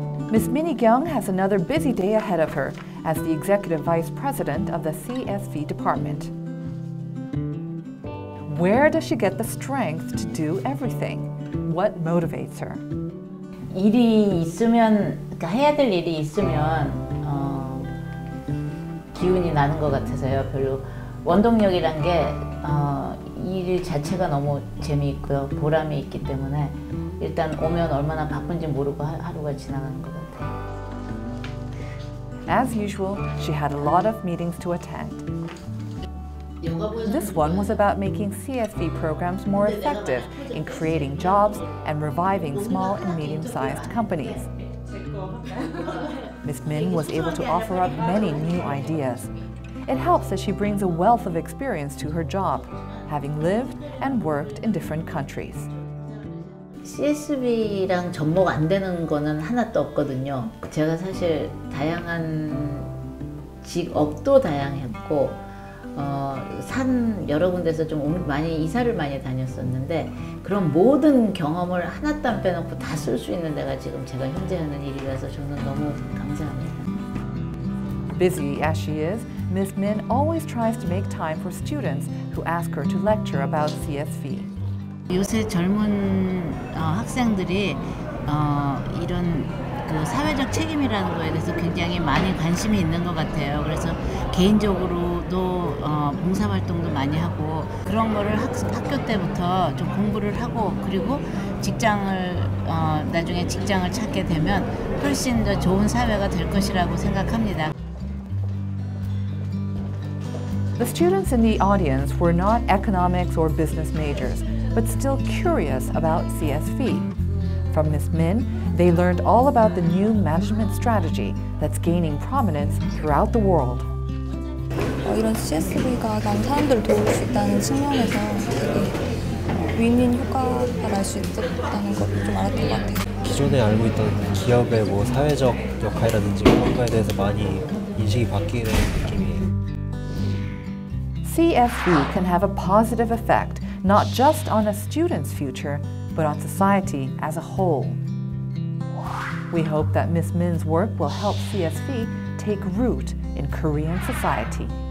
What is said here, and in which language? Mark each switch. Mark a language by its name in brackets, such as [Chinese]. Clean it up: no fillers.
[English] Ms. Min-kyung has another busy day ahead of her as the Executive Vice President of the CSV Department. Where does she get the strength to do everything? What motivates her? [Korean] 일이 있으면, 해야 될 일이 있으면 기운이 나는 것 같아서요. 별로 원동력이란 게 일 자체가 너무 재미있고요. 보람이 있기 때문에 일단 오면 얼마나 바쁜지 모르고 하루가 지나가는 것 같아요. [English] As usual, she had a lot of meetings to attend. This one was about making CSV programs more effective in creating jobs and reviving small and medium-sized companies. Ms. Min was able to offer up many new ideas. It helps that she brings a wealth of experience to her job, having lived and worked in different countries. [Korean] CSV랑 접목 안 되는 거는 하나도 없거든요. 제가 사실 다양한 직업도 다양했고 산 여러 군데서 좀 많이 이사를 많이 다녔었는데 그런 모든 경험을 하나도 안 빼놓고 다 쓸 수 있는 데가 지금 제가 현재 하는 일이라서 저는 너무 감사합니다. [English] Busy as she is, Ms. Min always tries to make time for students who ask her to lecture about CSV. [Korean] 요새 젊은 학생들이 이런 그 사회적 책임이라는 거에 대해서 굉장히 많이 관심이 있는 것 같아요. 그래서 개인적으로도 봉사활동도 많이 하고 그런 거를 학교 때부터 좀 공부를 하고 그리고 직장을 나중에 직장을 찾게 되면 훨씬 더 좋은 사회가 될 것이라고 생각합니다. [English] The students in the audience were not economics or business majors, but still curious about CSV. From Ms. Min, they learned all about the new management strategy that's gaining prominence throughout the world. [Korean] 이런 CSV가 다른 사람들을 도울 수 있다는 측면에서 되게 윈윈 효과를 알 수 있다는 걸 좀 알았던 것 같아요. 기존에 알고 있던 기업의 뭐 사회적 역할이라든지 그런 거에 대해서 많이 인식이 바뀌는 느낌이에요. [English] CSV can have a positive effect not just on a student's future, but on society as a whole. We hope that Ms. Min's work will help CSV take root in Korean society.